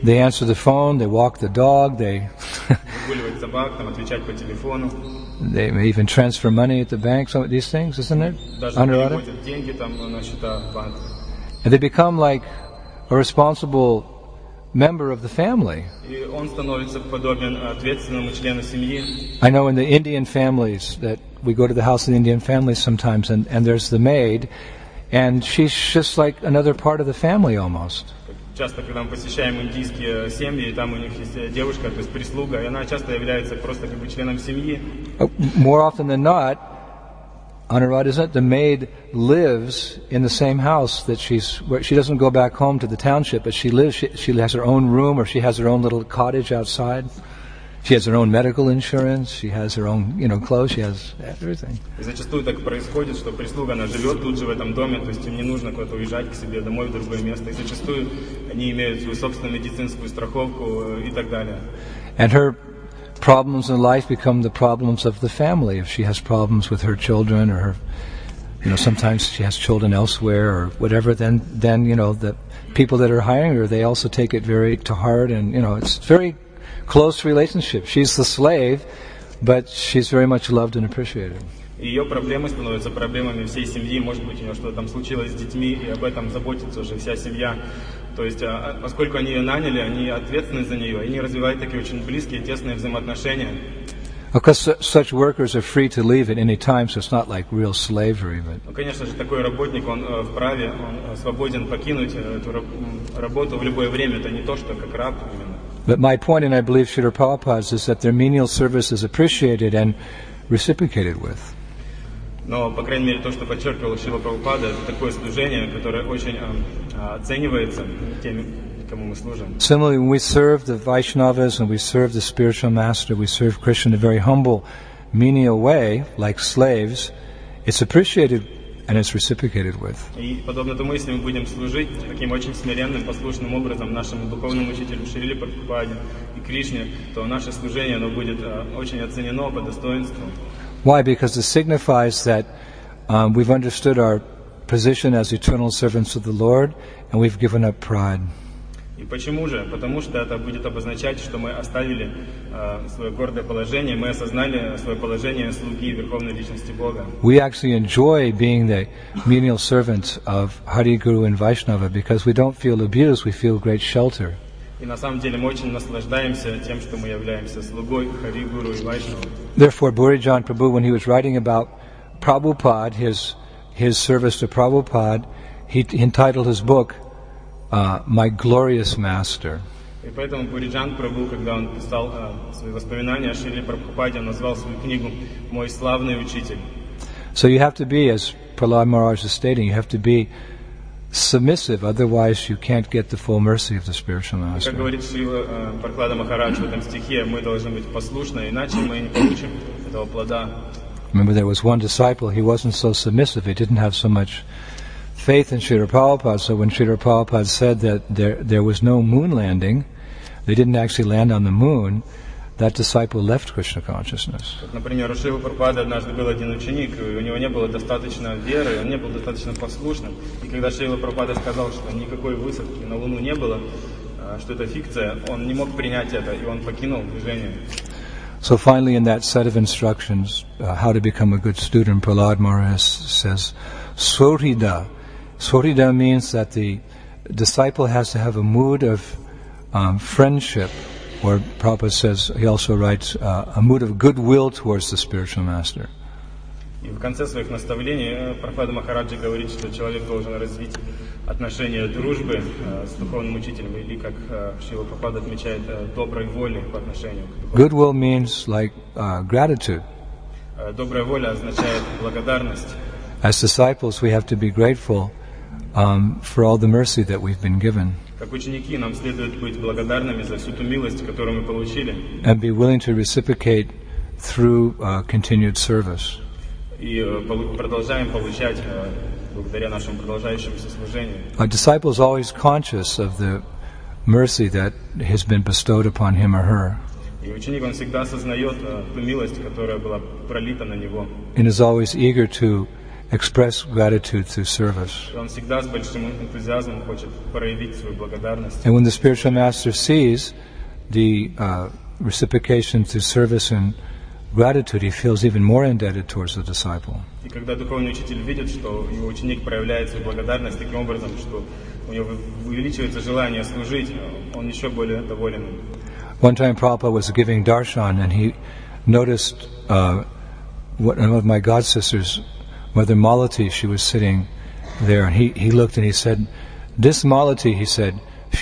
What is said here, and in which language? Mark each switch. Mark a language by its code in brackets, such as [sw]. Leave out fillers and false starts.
[en] They answer the phone, they walk the dog, they [ru] выгуливать собак, там отвечать по телефону. [en] They may even transfer money at the bank, some of these things, isn't it? [ru] Даже переводят деньги там на счета в банк. [en] And they become like a responsible member of the family. [ru] И он становится подобен ответственному члену семьи. [en] I know in the Indian families that we go to the house of the Indian families sometimes and there's the maid and she's just like another part of the family almost. [ru] Часто, когда мы посещаем индийские семьи, там у них есть девушка, то есть прислуга, и она часто является просто как бы членом семьи. [en] More often than not, Anuradha, isn't it? The maid lives in the same house that she's. Where she doesn't go back home to the township, but she lives. She has her own room, or she has her own little cottage outside. She has her own medical insurance. She has her own, you know, clothes. She has everything. [ru] Зачастую так происходит, что прислуга она живет тут же в этом доме, то есть им не нужно куда-то уезжать к себе домой в другое место. И зачастую они имеют свою собственную медицинскую страховку и так далее. [en] And her problems in life become the problems of the family. If she has problems with her children, or her, you know, sometimes she has children elsewhere or whatever, then you know the people that are hiring her, they also take it very to heart, and you know it's very close relationship. She's the slave, but she's very much loved and appreciated. [ru] Ее проблемы становятся проблемами всей семьи. Может быть, у нее что-то там случилось с детьми, и об этом заботится уже вся семья. То есть, поскольку они ее наняли, они ответственны за нее, и они развивают такие очень близкие, тесные взаимоотношения. [en] Because such workers are free to leave at any time, so it's not like real slavery. But [ru] конечно же, такой работник он вправе, он свободен покинуть эту работу в любое время. Это не то, что как раб именно. [en] But my point, and I believe Srila Prabhupada's, is that their menial service is appreciated and reciprocated with. [ru] Но, по крайней мере, то, что подчеркивал Шрила Прабхупада, это такое служение, которое очень оценивается теми, кому мы служим. [en] Similarly, when we serve the Vaishnavas and we serve the spiritual master, we serve Krishna in a very humble, menial way, like slaves, it's appreciated and it's reciprocated with. [ru] И подобно тому, если мы будем служить таким очень смиренным, послушным образом нашему духовному учителю Шриле Прабхупаде и Кришне, то наше служение оно будет очень оценено по достоинству. [en] Why? Because it signifies that we've understood our position as eternal servants of the Lord and we've given up pride. [ru] И почему же? Потому что это будет обозначать, что мы оставили свое гордое положение, мы осознали свое положение слуги Верховной Личности Бога. [en] We actually enjoy being the menial servants of Hari Guru and Vaishnava because we don't feel abused, we feel great shelter. [ru] И на самом деле мы очень наслаждаемся тем, что мы являемся слугой Хари Гуру и Вайшнава. [en] Therefore, Bhurijan Prabhu, when he was writing about Prabhupada, his service to Prabhupada, he entitled his book My Glorious Master. [ru] И поэтому Бхуриджан Прабху, когда он писал свои воспоминания о Шриле Прабхупаде, он назвал свою книгу Мой славный учитель. [en] So you have to be, as Prahlad Maharaj is stating, you have to be submissive, otherwise you can't get the full mercy of the spiritual master. [ru] Как говорит Шрила Прахлада Махарадж в этом стихе, мы должны быть послушны, иначе мы не получим этого плода. [en] Remember, there was one disciple. He wasn't so submissive. He didn't have so much faith in Srila Prabhupada. So when Srila Prabhupada said that there was no moon landing, they didn't actually land on the moon. That disciple left Krishna consciousness. [ru] Например, у Шрилы Прабхупады однажды был один ученик, и у него не было достаточно веры, он не был достаточно послушным. И когда Шрила Прабхупада сказал, что никакой высадки на Луну не было, что это фикция, он не мог принять это, и он покинул движение. [en] So finally, in that set of instructions, how to become a good student, Prahlad Maharaj says, Svarida. Svarida means that the disciple has to have a mood of friendship. Or Prabhupada says, he also writes, a mood of goodwill towards the spiritual master. [ru] И в конце своих наставлений Прабхупада Махараджа говорит, что человек должен развить отношение дружбы с духовным учителем, или как Шрила Прабхупада отмечает, доброй воли по отношению к духовному. [en] Goodwill means like gratitude. [ru] Добрая воля означает благодарность. [en] As disciples, we have to be grateful for all the mercy that we've been given. [ru] Как ученики, нам следует быть благодарными за всю ту милость, которую мы получили. [en] And be willing to reciprocate through continued service. [ru] И продолжаем получать благодаря нашему продолжающемуся служению. [en] A disciple is always conscious of the mercy that has been bestowed upon him or her. [ru] И ученик, он всегда осознает ту милость, которая была пролита на него. [en] And is always eager to express gratitude through service. [ru] Он всегда с большим энтузиазмом хочет проявить свою благодарность. [en] And when the spiritual master sees the reciprocation through service and gratitude, he feels even more indebted towards the disciple. [ru] И когда духовный учитель видит, что его ученик проявляет свою благодарность таким образом, что у него увеличивается желание служить, он еще более доволен. [en] One time Prabhupada was giving darshan and he noticed what one of my god sisters, Mother Malati, she was sitting there, and he looked and he said, "This Malati," he said, "she